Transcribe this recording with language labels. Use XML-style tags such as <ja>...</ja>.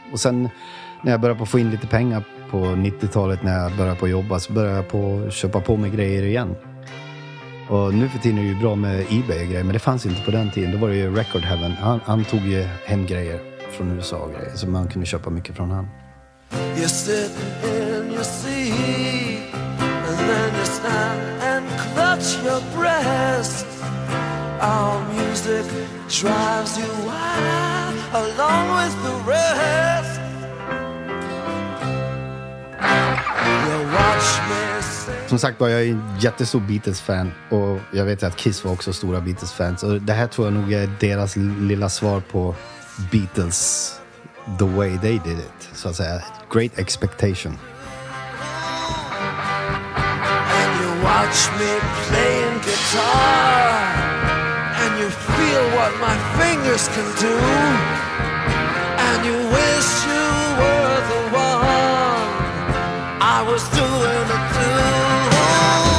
<sv>Och sen när jag började på få in lite pengar på 90-talet när jag började på jobba, så började jag på köpa på mig grejer igen. Och nu för tiden är det ju bra med eBay och grejer, men det fanns inte på den tiden. Då var det ju Record Heaven. Han tog ju hem grejer från USA och grejer, så man kunde köpa mycket från han.</sv> <en>You sit and you see, and then you stand and clutch your breast. Our music drives you wild along with the rest.</en> <sv>Som sagt, jag är en jättestor Beatles-fan och jag vet att Kiss var också stora Beatles-fans. Och det här tror jag nog är deras lilla svar på Beatles,</sv> <en>the way they did it,</en> <sv>så att säga.</sv> <en>Great Expectation. You watch me playing guitar and you feel what my fingers can do. And you wish you were the one I was doing it to.</en>